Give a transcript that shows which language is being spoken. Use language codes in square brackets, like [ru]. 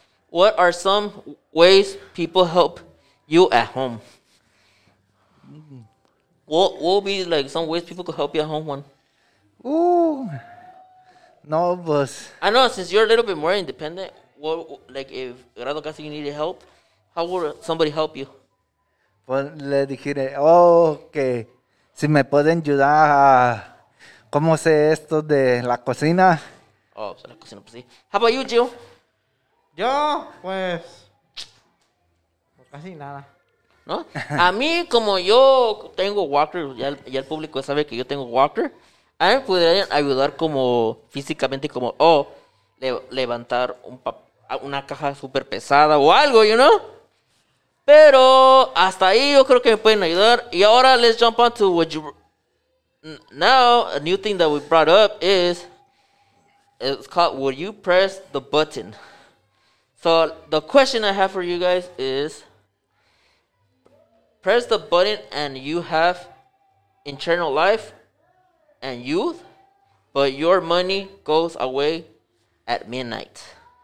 [en] What are some ways people help you at home? What would be like some ways people could help you at home, Juan? [es] No, pues. [en] I know, since you're a little bit more independent, if Grado Casi needed help, how would somebody help you? [es] Pues le dijere, oh, que si me pueden ayudar a cómo sé esto de la cocina. [en] Oh, so [es] la cocina, pues sí. [en] How about you, Jill? [es] Yo, pues, casi nada. ¿No? A mí, como yo tengo Walker, ya el público sabe que yo tengo Walker, a mí me podrían ayudar como físicamente, como, oh, levantar una caja súper pesada o algo, [en] you know? [es] Pero hasta ahí yo creo que me pueden ayudar. Y ahora [en] let's jump on to what you... Now, a new thing that we brought up is, it's called, would you press the button? So the question I have for you guys is, press the button and you have internal life and youth, but your money goes away at midnight.